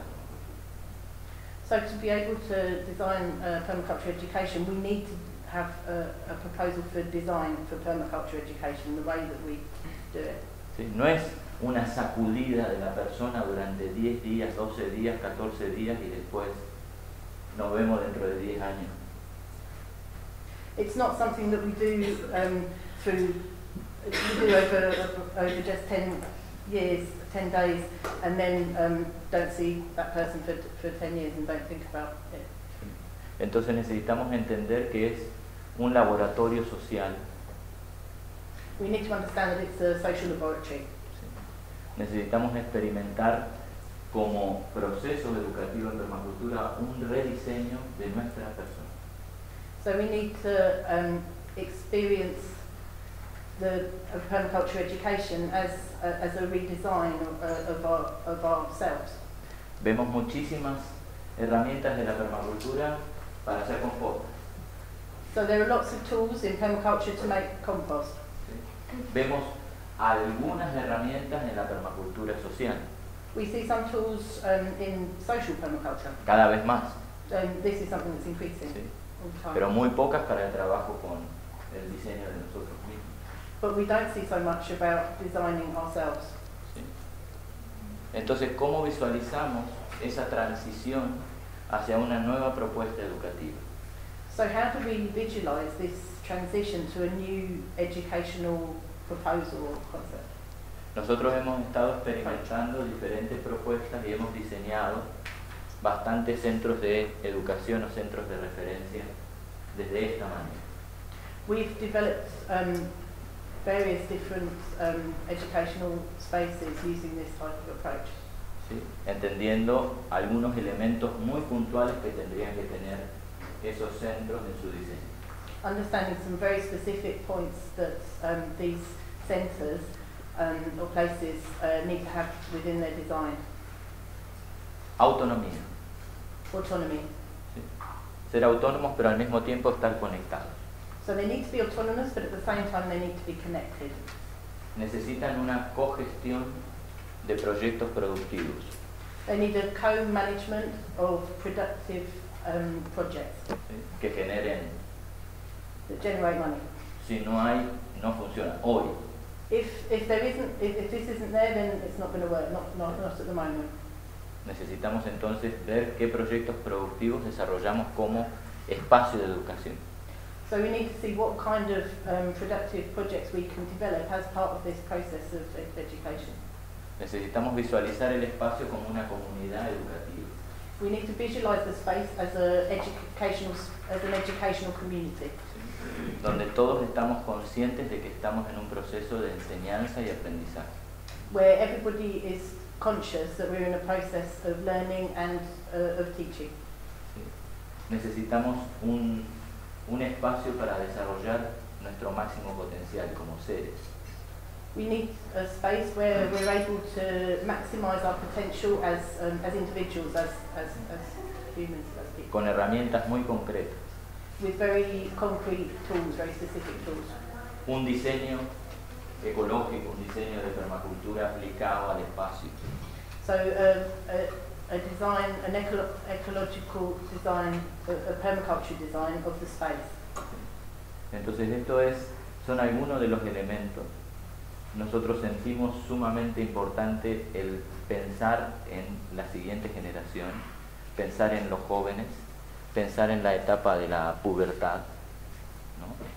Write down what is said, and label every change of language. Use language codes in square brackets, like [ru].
[en] permacultura. So to be able to design permaculture education, we need to have a proposal for design for permaculture education, the way that we do it. [es] Sí, no es una sacudida de la persona durante 10 días, 12 días, 14 días y después nos vemos dentro de 10 años. [en] It's not something that we do through, we do over just 10 years, 10 days, and then don't see that person for 10 years and don't think about it. [es] Entonces necesitamos entender que es un laboratorio social. [en] We need to understand that it's a social laboratory. [es] Necesitamos experimentar como proceso educativo en permacultura un rediseño de nuestra persona. [en] So we need to experience the permaculture education as a redesign of ourselves. [es] Vemos muchísimas herramientas de la permacultura para hacer compost. [en] So there are lots of tools in permaculture to make compost. [es] Vemos algunas herramientas en la permacultura social. [en] We see some tools in social permaculture. [es] Cada vez más. [en] This is something that's increasing. [es] Sí. [en] All the time. [es] Pero muy pocas para el trabajo con el diseño de nosotros mismos. [en] But we don't see so much about designing ourselves. [es] Sí. Entonces, ¿cómo visualizamos esa transición hacia una nueva propuesta educativa? [en] So how do we visualize this transition to a new educational proposal or concept? [es] Nosotros hemos estado experimentando diferentes propuestas y hemos diseñado bastantes centros de educación o centros de referencia desde esta manera. [en] We've developed various different educational spaces using this type of approach. [es] Sí, entendiendo algunos elementos muy puntuales que tendrían que tener esos centros en su diseño. [en] Understanding some very specific points that these centers or places need to have within their design. [es] Autonomía. [en] Autonomy. [es] Sí. Ser autónomos, pero al mismo tiempo estar conectados. [en] So they need to be autonomous, but at the same time they need to be connected. [es] Necesitan una cogestión de proyectos productivos. [en] They need a co-management of productive projects. [es] Sí. Que generen. [en] That generate money. [es] Si no hay, no funciona. Hoy. [en] If this isn't there, then it's not going to work, not at the moment. [es] Necesitamos entonces ver qué proyectos productivos desarrollamos como espacio de educación. [en] So we need to see what kind of productive projects we can develop as part of this process of education. [es] Necesitamos visualizar el espacio como una comunidad educativa. [en] We need to visualize the space as an educational community. [es] Donde todos estamos conscientes de que estamos en un proceso de enseñanza y aprendizaje. [en] Where everybody is conscious that we're in a process of learning and of teaching. [es] Sí. Necesitamos un espacio para desarrollar nuestro máximo potencial como seres. [en] We need a space where we're able to maximize our potential as individuals, as humans, as people. [es] Con herramientas muy concretas. [en] With very concrete tools, very specific tools. [es] Un diseño ecológico, un diseño de permacultura aplicado al espacio. [en] So an ecological design, a permaculture design of the space. [es] Entonces esto es, son algunos de los elementos. Nosotros sentimos sumamente importante el pensar en la siguiente generación, pensar en los jóvenes, pensar en la etapa de la pubertad, ¿no?